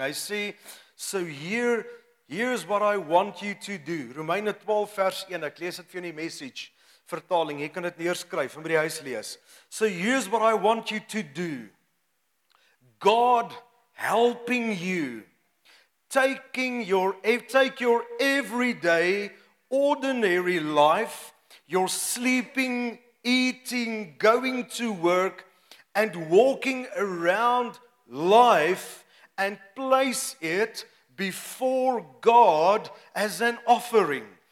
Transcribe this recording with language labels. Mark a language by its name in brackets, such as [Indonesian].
[Afrikaans] Hy sê, [English] so here's what I want you to do. [Afrikaans] Romeine 12 vers 1, ek lees dit vir jou in die message vertaling, jy kan dit neerskryf en by die huis lees. [English] So here's what I want you to do. God helping you, take your everyday, ordinary life, your sleeping, eating, going to work, and walking around life and place it before God as an offering.